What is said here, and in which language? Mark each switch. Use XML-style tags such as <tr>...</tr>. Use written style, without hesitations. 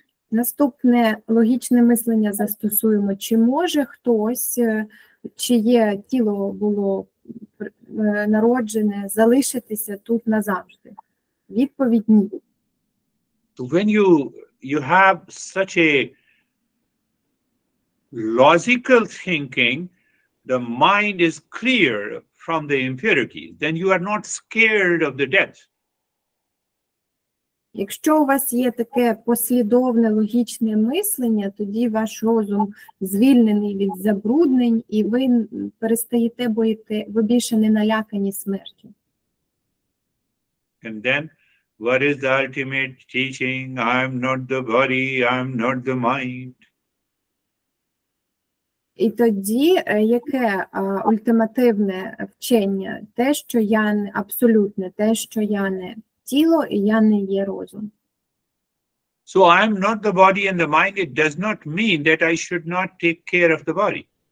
<uk>Наступне логічне мислення застосуємо. Чи може хтось, чиє тіло було народжене, залишитися тут назавжди? Відповідь – ні.</uk> <en>When you have such a logical thinking, the mind is clear from the impurity, then you are not scared of the death.</en> <uk>Якщо у вас є таке послідовне логічне мислення, тоді ваш розум звільнений від забруднень, і ви перестаєте боїти, ви більше не налякані смертю.</uk> <en>And then, what is the ultimate teaching? I'm not the body, I'm not the mind.</en> <uk>І тоді, яке ультимативне вчення? Те, що я не абсолютне, те, що я не тіло, і я не є розум.</uk> <en>So I am not the body and the mind, it does not mean that I should not take care of the body.</en>